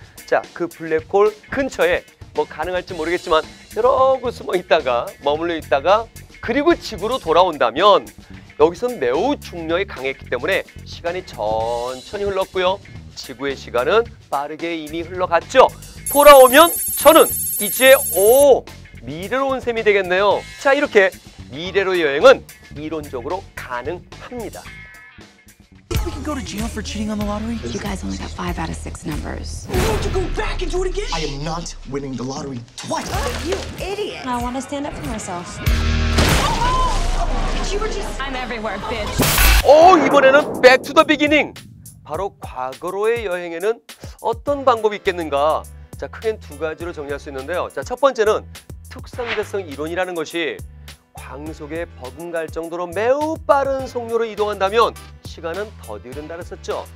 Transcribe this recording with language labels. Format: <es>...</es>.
<ko>자, 그 블랙홀 근처에 뭐 가능할지 모르겠지만 이러고 숨어 있다가 머물러 있다가 그리고 지구로 돌아온다면 여기선 매우 중력이 강했기 때문에 시간이 천천히 흘렀고요. 지구의 시간은 빠르게 이미 흘러갔죠. 돌아오면 저는 이제 미래로 온 셈이 되겠네요. 자, 이렇게 미래로 여행은 이론적으로 가능합니다.</ko> <en>We can go to jail for cheating on the lottery. You guys only got 5 out of 6 numbers. Why don't you go back and do it again? I am not winning the lottery twice. Oh, you idiot. I want to stand up for myself. You were just I'm everywhere, bitch.</en> <ko>이번에는</ko> <en>back to the beginning.</en> <ko>바로 과거로의 여행에는 어떤 방법이 있겠는가? 자, 크게 두 가지로 정리할 수 있는데요. 자, 첫 번째는 특상대성 이론이라는 것이 광속에 버금갈 정도로 매우 빠른 속도로 이동한다면 시간은 더디른다고 했었죠.</ko>